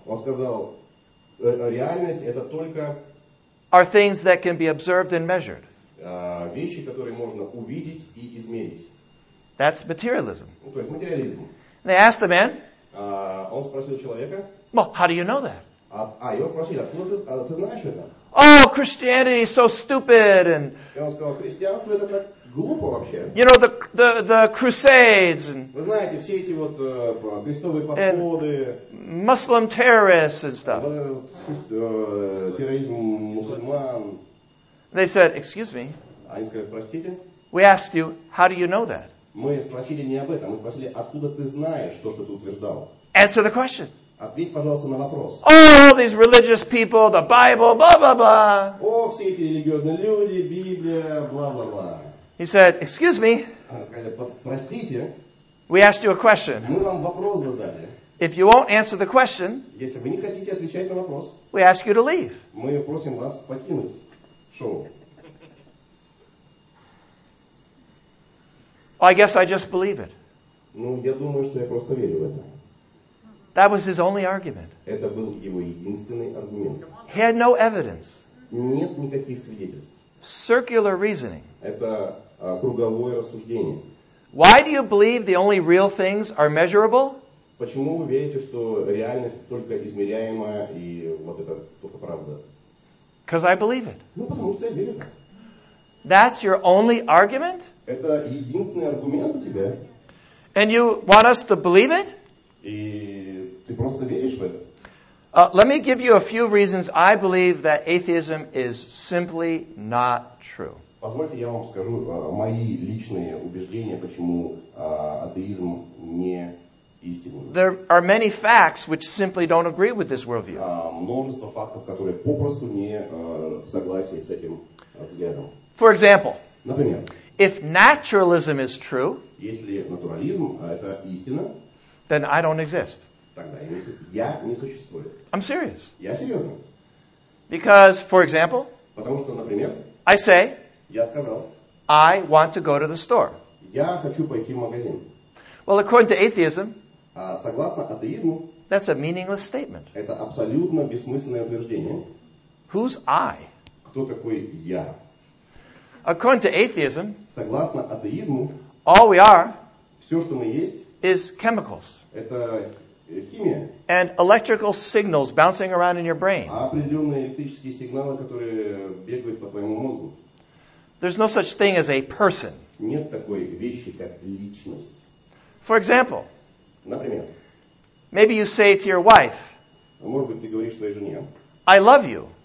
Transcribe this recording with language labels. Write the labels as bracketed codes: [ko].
[ru] Он сказал, реальность это только. [en] Are things that can be observed and measured. [ru] Вещи, которые можно увидеть и измерить. [en] That's materialism. [ru] Ну, то есть материализм. [en] And they asked the man. [ru] Он спросил человека. [en] Well, how do you know that? [ru] Его спросили, откуда ты знаешь это? [en] Oh, Christianity is so stupid. And [ru] он сказал, христианство это так глупо вообще. [en] You know, the crusades. And, [ru] вы знаете, все эти вот крестовые походы. [en] Muslim terrorists and stuff. [ru] Терроризм мусульман. [en] They said, excuse me. [ru] Они сказали, простите. [en] We asked you, how do you know that? [ru] Мы спросили не об этом. Мы спросили, откуда ты знаешь то, что ты утверждал? [en] Answer the question. [ru] Ответь, пожалуйста, на вопрос. [en] All these religious people, the Bible, blah, blah, blah. [ru] О, все эти религиозные люди, Библия, [en] blah, blah, blah. He said, excuse me. [ru] Простите. [en] We asked you a question. [ru] Мы вам вопрос задали. [en] If you won't answer the question, [ru] если вы не хотите отвечать на вопрос, [en] we ask you to leave. [ru] Мы просим вас покинуть шоу. [en] I guess I just believe it. [ru] Ну, я думаю, что я просто верю в это. [en] That was his only argument. [ru] Это был его единственный аргумент. [en] He had no evidence. [ru] Нет никаких свидетельств. [en] Circular reasoning. [ru] Это круговое рассуждение. [en] Why do you believe the only real things are measurable? [ru] Почему вы верите, что реальность только измеряемая и вот это только правда? [en] Because I believe it. [ru] Ну, потому что я верю. [en] That's your only argument? [ru] Это единственный аргумент у тебя? [en] And you want us to believe it? [ru] И ты просто веришь в это? [en] Let me give you a few reasons I believe that atheism is simply not true. [ru] Позвольте я вам скажу мои личные убеждения, почему атеизм не истинный. [en] There are many facts which simply don't agree with this worldview. [ru] Множество фактов, которые попросту не согласны с этим взглядом. [en] For example, [ru] например, [en] if naturalism is true, [ru] если натурализм, это истина, [en] then I don't exist. [ru] Тогда я не существую. [en] I'm serious. [ru] Я серьезно. [en] Because, for example, [ru] потому что, например, [en] I say, [ru] я сказал, [en] I want to go to the store. [ru] Я хочу пойти в магазин. [en] Well, according to atheism, [ru] согласно атеизму, [en] that's a meaningless statement. [ru] Это абсолютно бессмысленное утверждение. [en] Who's I? [ru] Кто такой я? [en] According to atheism, [ru] согласно атеизму, [en] all we are, [ru] все, что мы есть, [en] is chemicals. [ru] Это химия. [en] And electrical signals bouncing around in your brain. [ru] А определенные электрические сигналы, которые бегают по твоему мозгу. [en] There's no such thing as a person. [ru] Нет такой вещи, как личность. [en] For example, [ru] например, [en] maybe you say to your wife, [ru] может быть, ты говоришь своей жене, [en] I love you.